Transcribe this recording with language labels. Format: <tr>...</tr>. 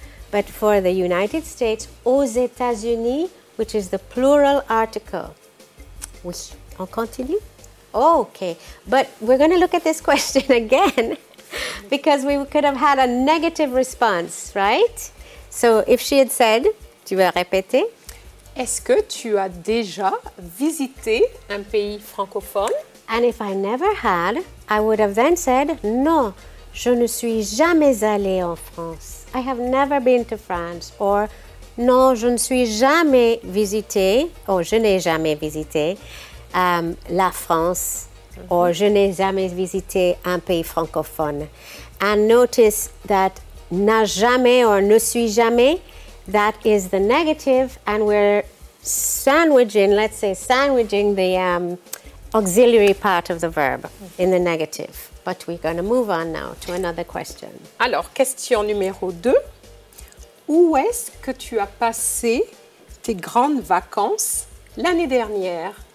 <en>But for the United States, aux États-Unis, which is the plural article. Oui.</en> <fr>On continue?</fr> <en>Okay. But we're going to look at this question again because we could have had a negative response, right? So if she had said,</en> <fr>tu veux répéter? Est-ce que tu as déjà visité un pays francophone?</fr> <en>And if I never had, I would have then said,</en> <fr>non, je ne suis jamais allée en France.</fr> <en>I have never been to France.</en> <fr>Or, non, je ne suis jamais visité, or je n'ai jamais visité la France. Mm-hmm. Or, je n'ai jamais visité un pays francophone.</fr> <en>And notice that n'a jamais or ne suis jamais, that is the negative. And we're sandwiching the auxiliary part of the verb in the negative. But we're going to move on now to another question.</en> <fr>Alors, question numéro 2. Où est-ce que tu as passé tes grandes vacances l'année dernière?</fr>